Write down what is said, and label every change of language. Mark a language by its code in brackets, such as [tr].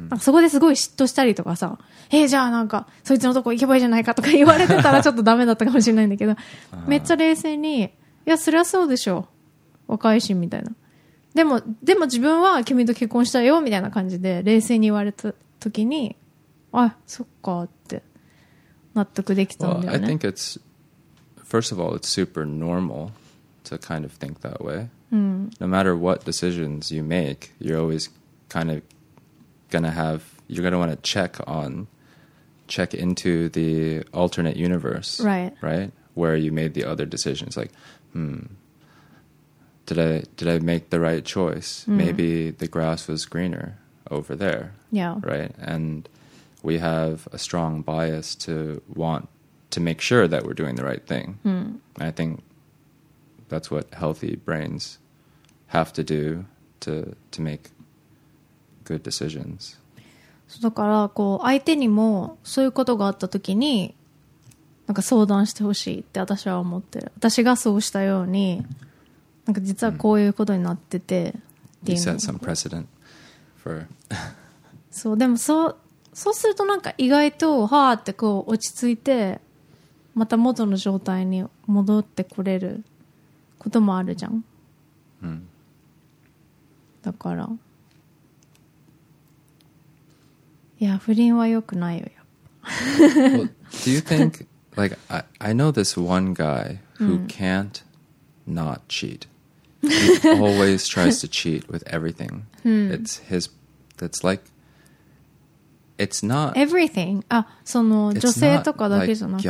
[ja] なんかそこですごい嫉妬したりとかさ、え、じゃあなんか、そいつのとこ行けばいいじゃないかとか言われてたらちょっとダメだったかもしれないんだけど、めっちゃ冷静に、いや、そりゃそうでしょ。若いし、みたいな。でも自分は君と結婚したよ、みたいな感じで、冷静に言われた時に、あ、そっか、って。 [en] Well, I think it's, first of all, it's super normal to kind of think that way. Mm. No matter what decisions you make, you're always kind of going to have, you're going to want to check into the alternate universe. Right. Right? Where you made the other decisions. Like, did I make the right choice? Mm. Maybe the grass was greener over there. Yeah. Right? And we have a strong bias to want to make sure that we're doing the right thing. Mm. I think that's what healthy brains have to do to make good decisions. [ja] そうだから、こう相手にもそういうことがあった時に、なんか相談してほしいって私は思ってる。私がそうしたように、なんか実はこういうことになってて、 [en] You set some precedent for. [ja] そう、でもそう。そうするとなんか意外とはーってこう落ち着いてまた元の状態に戻ってこれることもあるじゃん、うん、だからいや不倫は良くないよやっぱ [en] well, Do you think like I know this one guy who、うん、can't not cheat. He always tries to cheat with everything、 [ja] うん、 [en] It's his That's likeIt's not everything. [ja] Ah, その女性とかだけじゃなくて。